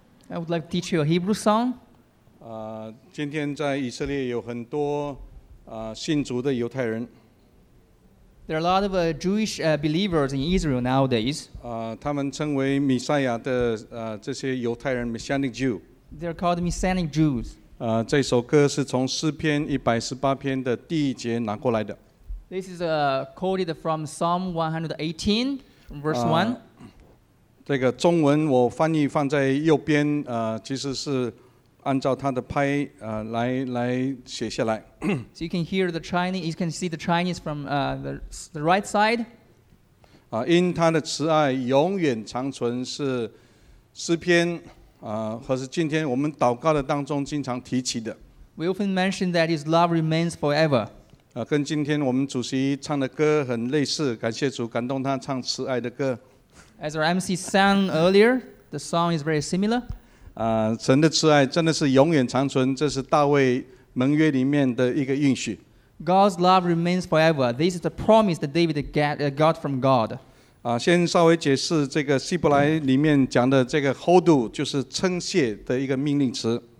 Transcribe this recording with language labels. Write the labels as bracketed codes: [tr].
[en] I would like to teach you a Hebrew song. [zh] 今天在以色列有很多信主的犹太人。 [en] There are a lot of Jewish believers in Israel nowadays. [zh] 他们称为弥赛亚的这些犹太人 Messianic Jew. [en] They are called Messianic Jews. [zh] 这首歌是从诗篇一百十八篇的第一节拿过来的。 [en] This is quoted from Psalm 118, verse 1. [zh] 这个中文我翻译放在右边，其实是按照它的拍来写下来。 [en] So you can hear the Chinese, you can see the Chinese from the right side. [zh] 因他的慈爱永远长存是诗篇，或是今天我们祷告的当中经常提起的。 [en] We often mention that his love remains forever. [zh] 跟今天我们主席唱的歌很类似，感谢主感动他唱慈爱的歌。 [en] As our MC sang earlier, the song is very similar. [zh] 神的慈爱真的是永远长存，这是大卫盟约里面的一个应许。 [en] God's love remains forever. This is the promise that David got from God. [zh] 先稍微解释这个希伯来里面讲的这个 hodu 就是称谢的一个命令词。